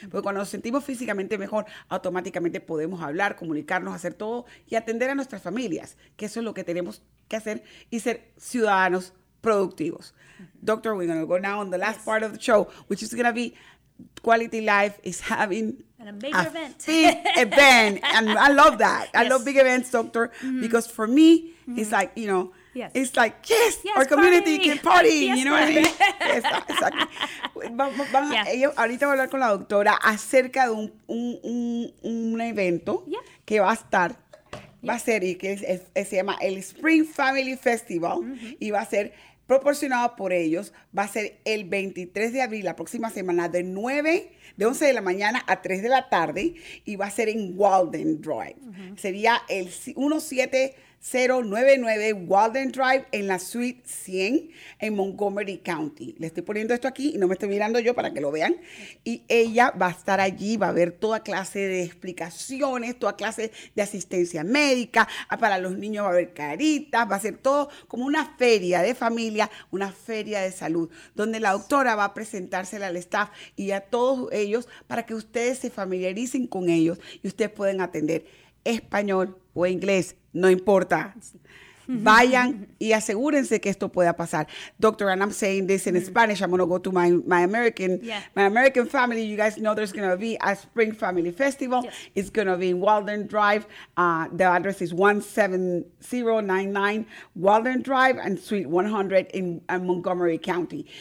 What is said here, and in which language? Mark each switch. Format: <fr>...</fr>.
<es>Porque cuando nos sentimos físicamente mejor, automáticamente podemos hablar, comunicarnos, hacer todo y atender a nuestras familias, que eso es lo que tenemos que hacer, y ser ciudadanos productivos.</es> <en>Doctor, we're going to go now on the last part of the show, which is going to be Quality Life is having a big event. And I love that. Yes. I love big events, Doctor, because for me, it's like, you know, it's like, yes, our party. Community can party. Yes, you know what I mean? Yes, exactly.</en> <es>Ahorita voy a hablar con la doctora acerca de un evento que va a estar. Va a ser, y que se llama el Spring Family Festival, y va a ser proporcionado por ellos, va a ser el 23 de abril, la próxima semana, de 11 de la mañana a 3 de la tarde, y va a ser en Walden Drive. Sería el 17099 Walden Drive en la Suite 100 en Montgomery County. Le estoy poniendo esto aquí y no me estoy mirando yo para que lo vean. Y ella va a estar allí, va a haber toda clase de explicaciones, toda clase de asistencia médica. Para los niños va a haber caritas, va a ser todo como una feria de familia, una feria de salud, donde la doctora va a presentársela al staff y a todos ellos para que ustedes se familiaricen con ellos y ustedes puedan atender español o inglés. No importa. Vayan y asegúrense que esto pueda pasar.</es> <en>Doctor, and I'm saying this in Spanish. I'm going to go to my American family. You guys know there's going to be a Spring Family Festival. Yes. It's going to be in Walden Drive. The address is 17099 Walden Drive and Suite 100 in Montgomery County.</en>